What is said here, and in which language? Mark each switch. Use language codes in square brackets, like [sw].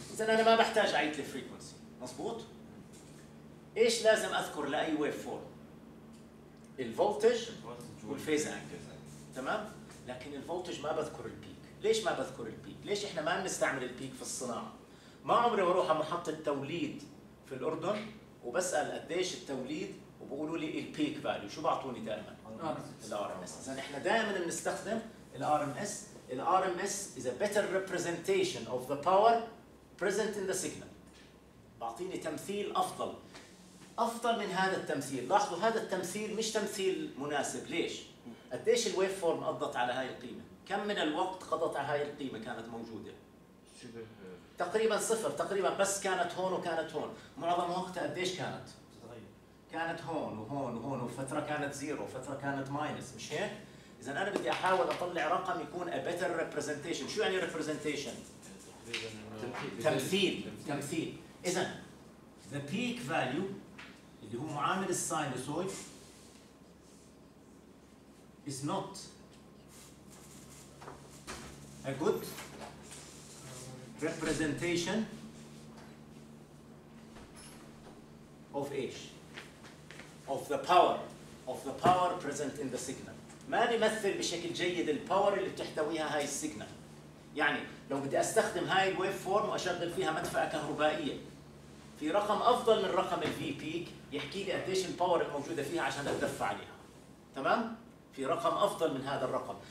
[ar] إذن أنا ما بحتاج أعيد الفريكونسي، مظبوط؟ إيش لازم أذكر لأي ويف فورم؟ الفولتج والفيز أنجل، تمام؟ لكن الفولتج ما بذكر البيك. ليش ما بذكر البيك؟ ليش إحنا ما بنستعمل البيك في الصناعة؟ ما عمري بروح على محطة توليد في الأردن وبسأل قديش التوليد وبقولوا لي البيك فاليو، شو بعطوني دائماً؟ الRMS. إذن إحنا دائماً بنستخدم الRMS. [en] الRMS is a better representation of the power present in the signal. [ar] بعطيني تمثيل أفضل. أفضل من هذا التمثيل. لاحظوا هذا التمثيل مش تمثيل مناسب. ليش؟ قديش الويف فورم قضت على هاي القيمة؟ كم من الوقت قضت على هاي القيمة كانت موجودة؟ تقريبا صفر تقريبا، بس كانت هون وكانت هون. معظم وقتها قديش كانت؟ كانت هون وهون وهون، وفترة كانت زيرو وفترة كانت ماينس، مش هيك؟ إذا أنا بدي أحاول أطلع رقم يكون [en] a better representation. [ar] شو يعني representation؟ تمثيل. تمثيل. [en] إذا the peak value [ar] اللي هو معامل السينوسويد [en] is not a good representation of H of the power present in the signal. [ar] ما يمثل بشكل جيد الباور اللي بتحتويها هاي السيجنال. يعني لو بدي استخدم هاي الويف فورم واشغل فيها مدفأة كهربائية في رقم افضل من رقم الفي بيك يحكي لي قديش الباور الموجودة فيها عشان ادفع عليها، تمام؟ في رقم افضل من هذا الرقم.